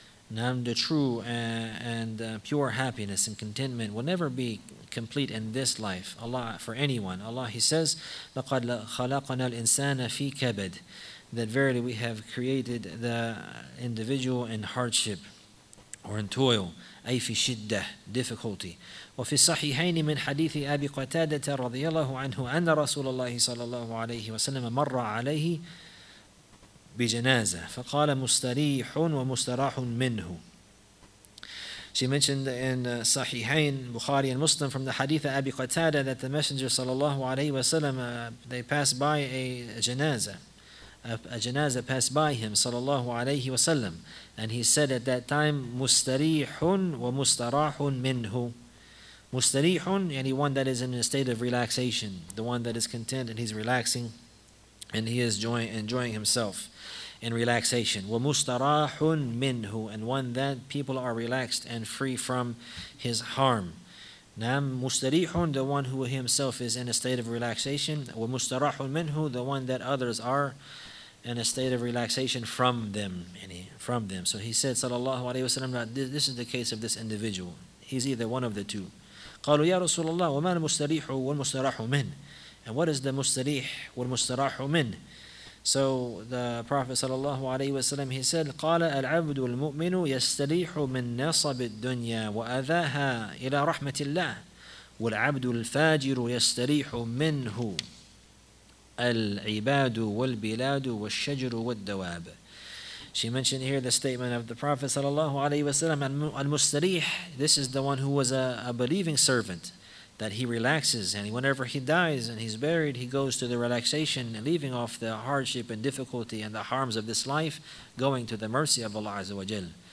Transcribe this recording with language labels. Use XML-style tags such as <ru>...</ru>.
<en>Now the true and pure happiness and contentment will never be complete in this life, Allah, for anyone. Allah, He says,</en> <ar>لَقَدْ خَلَقَنَا الْإِنسَانَ فِي كَبَدْ.</ar> <en>That verily we have created the individual in hardship or in toil.</en> <ar>أي في شدة, difficulty. وفي الصحيحين من حديث أبي قتادة رضي الله عنه أن رسول الله صلى الله عليه وسلم مر عليه بجنازة فقال مستريح ومستراح منه.</ar> <en>She mentioned in Sahihain, Bukhari and Muslim, from the hadith of Abi Qatada, that the Messenger sallallahu alayhi wasallam, they passed by a janazah passed by him sallallahu alayhi wasallam, and he said at that time,</en> <ar>mustarihun wa mustarahun minhu.</ar> <en>Mustarihun, anyone that is in a state of relaxation, the one that is content and he's relaxing and he is enjoying himself in relaxation.</en> <ar>وَمُسْتَرَاحٌ مِّنْهُ,</ar> <en>and one that people are relaxed and free from his harm.</en> <ar>نَعْمْ مُسْتَرِيحٌ,</ar> <en>the one who himself is in a state of relaxation.</en> <ar>وَمُسْتَرَاحٌ مِّنْهُ,</ar> <en>the one that others are in a state of relaxation from them. From them. So he said,</en> <ar>صلى الله عليه وسلم,</ar> <en>this is the case of this individual. He's either one of the two.</en> <ar>قَالُوا يَا رَسُولَ اللَّهُ وَمَا الْمُسْتَرِيحُ وَالْمُسْتَرَاحُ مِّنْ.</ar> <en>And what is the</en> <ar>مُسْتَرِيح وَالْمُسْتَرَاحُ مِّنْ?</ar> <en>So the Prophet sallallahu alaihi wasallam, he said,</en> <ar>قال العبد المؤمن يستريح من نصب الدنيا وأذاها إلى رحمة الله والعبد الفاجر يستريح منه العباد والبلاد والشجر والدواب.</ar> <en>She mentioned here the statement of the Prophet sallallahu alaihi wasallam, المستريح, this is the one who was a believing servant, that he relaxes, and whenever he dies and he's buried, he goes to the relaxation, leaving off the hardship and difficulty and the harms of this life, going to the mercy of Allah Azza wa Jal.</en>